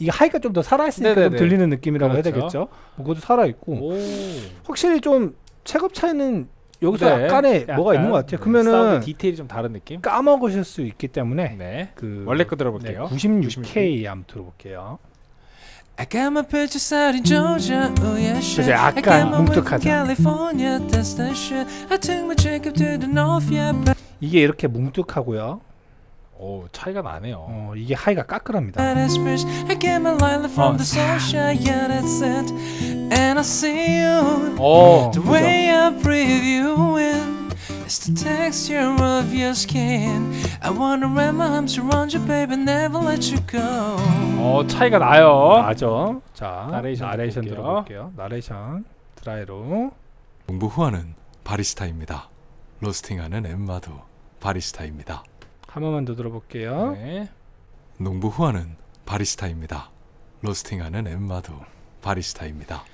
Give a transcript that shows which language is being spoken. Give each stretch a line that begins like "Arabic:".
Korean: 이 하이가 좀 더 살아 있으니까 좀 들리는 느낌이라고 그렇죠. 해야 되겠죠? 그것도 살아 있고. 오. 확실히 좀 체급 차이는 여기서 네. 약간의 약간 뭐가 있는 것 같아요. 그러면은 사운드 디테일이 좀 다른 느낌? 까먹으실 수 있기 때문에 네. 그 원래 거 들어볼게요. 네, 96K 한번 들어볼게요.
English: I got my pictures out in Georgia, oh yeah shit.
Korean: 이제 약간 뭉툭하죠. 이게 이렇게 뭉툭하고요. 오, 차이가 나네요. 어, 이게 하이가 까끌합니다. 어, 오, 그죠?
English: It's the texture of your skin. I wanna wrap my arms around you, baby, never let you go.
Korean: 어, 차이가 나요. 맞아. 자, 나레이션 들어볼게요. 나레이션 드라이로. 농부 후안은 바리스타입니다. 로스팅하는 엠마도 바리스타입니다. 한 번만 더 들어볼게요. 네. 농부 후안은 바리스타입니다. 로스팅하는 엠마도 바리스타입니다.